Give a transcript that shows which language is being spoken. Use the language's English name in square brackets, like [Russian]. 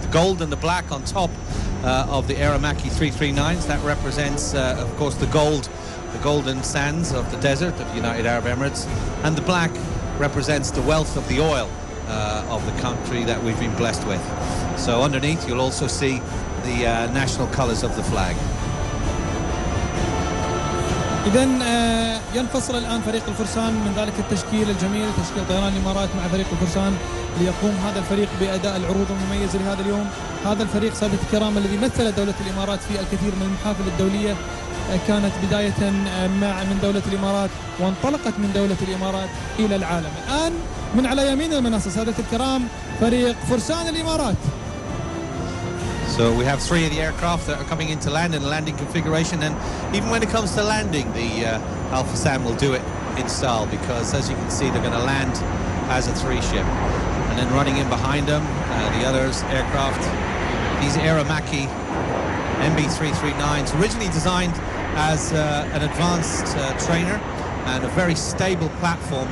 [English] The gold and the black on top of the Aramaki 339s, that represents, of course, the golden sands of the desert of the United Arab Emirates, and the black represents the wealth of the oil of the country that we've been blessed with. So underneath you'll also see the national colors of the flag. [Arabic] إذن ينفصل الآن فريق الفرسان من ذلك التشكيل الجميل تشكيل طيران الإمارات مع فريق الفرسان ليقوم هذا الفريق بأداء العروض المميز لهذا اليوم هذا الفريق سادة الكرام الذي مثل دولة الإمارات في الكثير من المحافل الدولية كانت بداية من دولة الإمارات وانطلقت من دولة الإمارات إلى العالم الآن من على يمين المنصة سادة الكرام فريق فرسان الإمارات [English] So we have three of the aircraft that are coming into land in a landing configuration, and even when it comes to landing, the Alpha Sam will do it in style because, as you can see, they're going to land as a three ship. And then running in behind them, the others aircraft, these Aramaki MB339s, originally designed as an advanced trainer and a very stable platform.